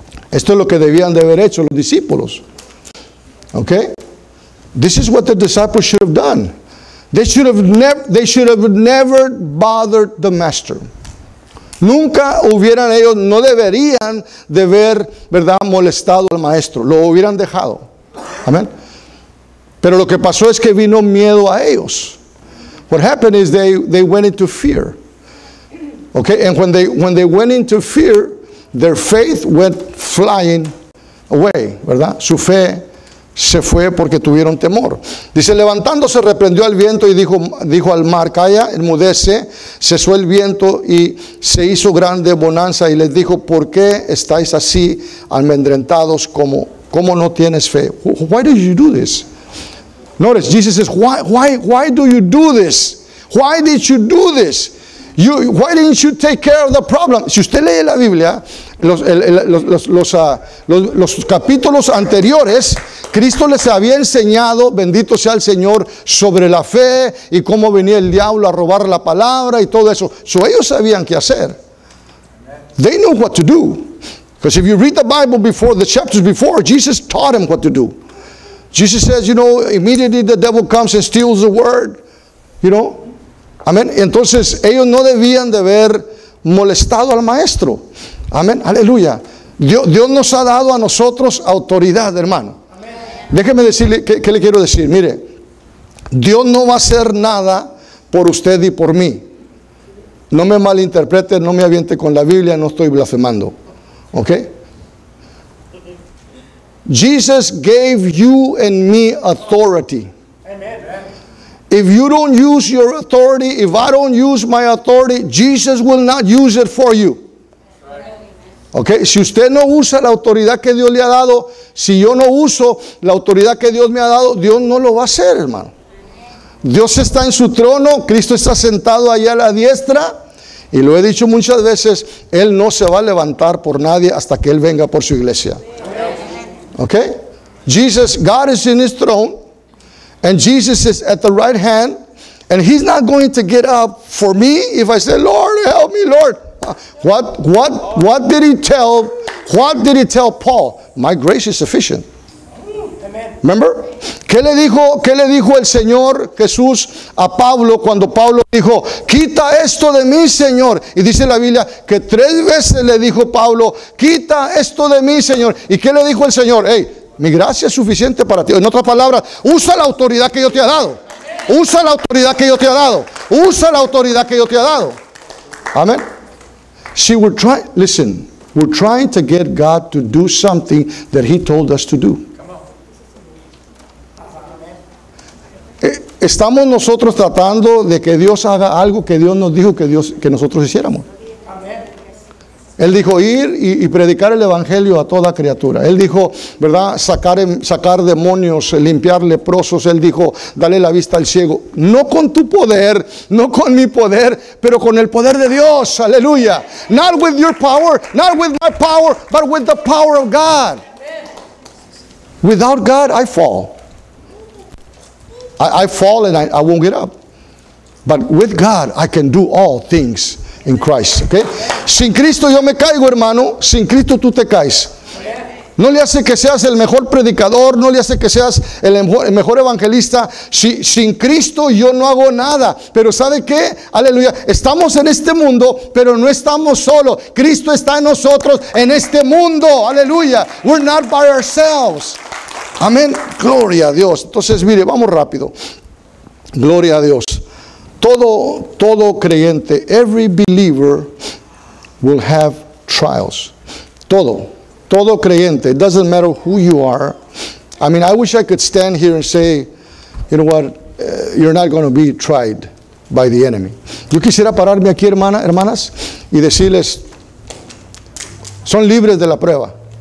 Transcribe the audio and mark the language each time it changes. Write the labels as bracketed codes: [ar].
[es] Esto es lo que debían de haber hecho los discípulos. Ok. [en] This is what the disciples should have done. They should have never bothered the master. [es] Nunca hubieran ellos, no deberían de haber, ¿verdad?, molestado al maestro. Lo hubieran dejado. Amén. Pero lo que pasó es que vino miedo a ellos. [en] What happened is they went into fear. Okay, and when they went into fear, their faith went flying away, [es] ¿verdad? Su fe se fue porque tuvieron temor. Dice, levantándose, reprendió al viento y dijo al mar, calla, enmudece. Cesó el viento y se hizo grande bonanza y les dijo, ¿por qué estáis así amedrentados como no tienes fe? [en] Why did you do this? Notice, Jesus says, why do you do this? Why did you do this? Why didn't you take care of the problem? [es] Si usted lee la Biblia, los capítulos anteriores, Cristo les había enseñado, bendito sea el Señor, sobre la fe y cómo venía el diablo a robar la palabra y todo eso. So ellos sabían qué hacer. [en] They knew what to do. Because if you read the Bible before, the chapters before, Jesus taught them what to do. Jesus says, you know, immediately the devil comes and steals the word. You know? Amén. [es] Entonces, ellos no debían de haber molestado al maestro. Amén. Aleluya. Dios nos ha dado a nosotros autoridad, hermano. Amén. Déjeme decirle, ¿qué le quiero decir? Mire, Dios no va a hacer nada por usted y por mí. No me malinterprete, no me aviente con la Biblia, no estoy blasfemando. ¿Ok? [en] Jesus gave you and me authority. If you don't use your authority, if I don't use my authority, Jesus will not use it for you. [es] Ok, si usted no usa la autoridad que Dios le ha dado, si yo no uso la autoridad que Dios me ha dado, Dios no lo va a hacer, hermano. Dios está en su trono, Cristo está sentado allá a la diestra, y lo he dicho muchas veces, Él no se va a levantar por nadie hasta que Él venga por su iglesia. [en] Ok, Jesus, God is in his throne. And Jesus is at the right hand, and he's not going to get up for me if I say, Lord, help me, Lord. What did he tell? What did he tell Paul? My grace is sufficient. Remember? [es] ¿Qué le dijo el Señor Jesús a Pablo cuando Pablo dijo, quita esto de mí, Señor? Y dice la Biblia que tres veces le dijo Pablo, quita esto de mí, Señor. ¿Y qué le dijo el Señor? Hey, mi gracia es suficiente para ti. En otras palabras, usa la autoridad que yo te he dado. Usa la autoridad que yo te he dado. Usa la autoridad que yo te he dado. Amén. [en] See, we're trying, listen, we're trying to get God to do something that He told us to do. [es] Estamos nosotros tratando de que Dios haga algo que Dios nos dijo que nosotros hiciéramos. Él dijo ir y predicar el evangelio a toda criatura. Él dijo, ¿verdad? Sacar demonios, limpiar leprosos. Él dijo, dale la vista al ciego. No con tu poder, no con mi poder, pero con el poder de Dios. Aleluya. [en] Not with your power, not with my power, but with the power of God. Without God, I fall. I fall and I won't get up. But with God, I can do all things. In Christ, okay? [es] Sin Cristo yo me caigo, hermano. Sin Cristo tú te caes. No le hace que seas el mejor predicador, no le hace que seas el mejor evangelista. Sin Cristo yo no hago nada. Pero ¿sabe qué? Aleluya. Estamos en este mundo, pero no estamos solos. Cristo está en nosotros en este mundo. Aleluya. [en] We're not by ourselves. [es] Amén. Gloria a Dios. Entonces, mire, vamos rápido. Gloria a Dios. Todo creyente, [en] every believer will have trials. [es] Todo creyente. [en] It doesn't matter who you are. I mean, I wish I could stand here and say, you know what, you're not going to be tried by the enemy. [es] Yo quisiera pararme aquí, hermanas, y decirles, son libres de la prueba.